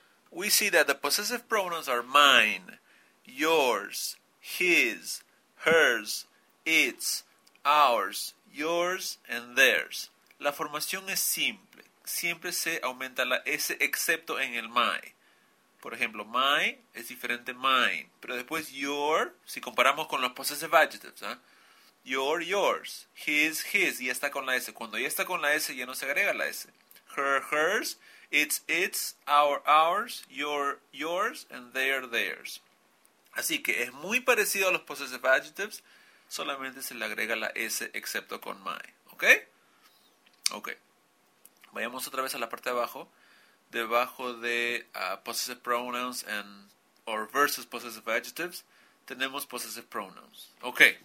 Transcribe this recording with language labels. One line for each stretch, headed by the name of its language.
English: We see that the possessive pronouns are mine, yours, his, hers, its, ours, yours, and theirs.
Spanish: La formación es simple. Siempre se aumenta la S excepto en el my. Por ejemplo, my es diferente a mine. Pero después your, si comparamos con los possessive adjectives, ¿eh? Your, yours, his, his, ya está con la S. Cuando ya está con la S, ya no se agrega la S.
English: Her, hers, its, our, ours, your, yours, and their, theirs.
Spanish: Así que es muy parecido a los possessive adjectives, solamente se le agrega la S excepto con my. ¿Ok? Ok. Vayamos otra vez a la parte de abajo. Debajo de possessive pronouns and or versus possessive adjectives, tenemos possessive pronouns. Ok.